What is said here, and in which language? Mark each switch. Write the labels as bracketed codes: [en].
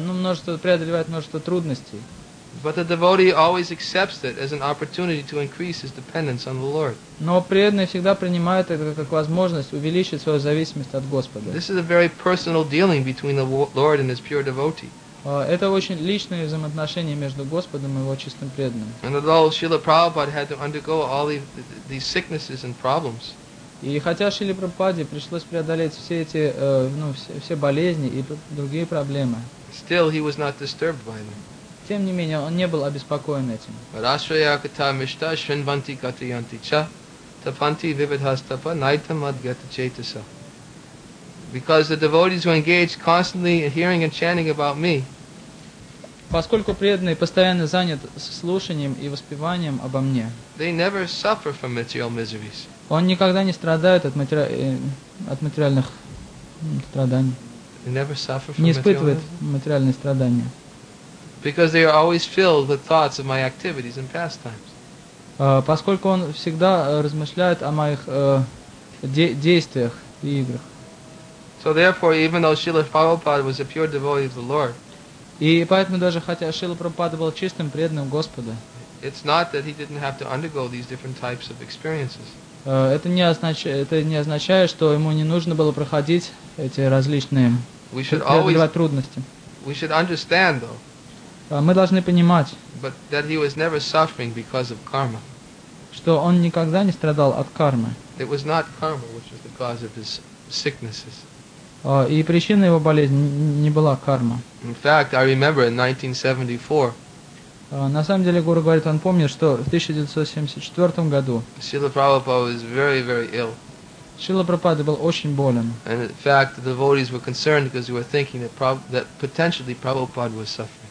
[ru] Множество преодолевает множество трудностей. [en] But the devotee always accepts it as an opportunity to increase his dependence on the Lord. [ru] Но преданный всегда принимает это как возможность увеличить свою зависимость от Господа. [en] This is a very personal dealing between the Lord and his pure devotee. [ru] Это очень личные взаимоотношения между Господом и его чистым преданным. [en] And although Srila Prabhupada had to undergo all these sicknesses and problems. [ru] И хотя Шриле Прабхупаде пришлось преодолеть все эти все болезни и другие проблемы. [en] Still he was not disturbed by them. [ru] Тем не менее, он не был обеспокоен этим. [sa] Рашаякта мишта шинванти катаянти ча тапанти вивидхастапа найтам адгата чейтаса. [en] Because the devotees who engage constantly in hearing and chanting about me. [ru] Поскольку преданный постоянно занят слушанием и воспеванием обо мне. [en] They never suffer from material miseries. [ru] Он никогда не страдает от материальных страданий. [en] They never suffer from [ru] не испытывает материальные страдания. [en] Because they are always filled with thoughts of my activities and pastimes. [ru] Поскольку он всегда размышляет о моих действиях и играх. [en] So therefore, even though Srila Prabhupada was a pure devotee of the Lord, [ru] и поэтому даже хотя Шрила Прабхупада был чистым преданным Господа, [en] it's not that he didn't have to undergo these different types of experiences. [ru] Это не означает, что ему не нужно было проходить эти различные трудности. [en] We should understand, though. [ru] Мы должны понимать, [en] but that he was never suffering because of karma. [ru] Что он никогда не страдал от кармы. [en] It was not karma which was the cause of his sicknesses. [ru] И причина его болезни не была карма. [en] In fact, I remember in 1974. [ru] На самом деле, Гуру говорит, он помнит, что в 1974 году. [en] Srila Prabhupada was very, very ill. [ru] Шрила Прабхупада был очень болен. [en] And in fact, the devotees were concerned because they were thinking that that potentially Prabhupada was suffering.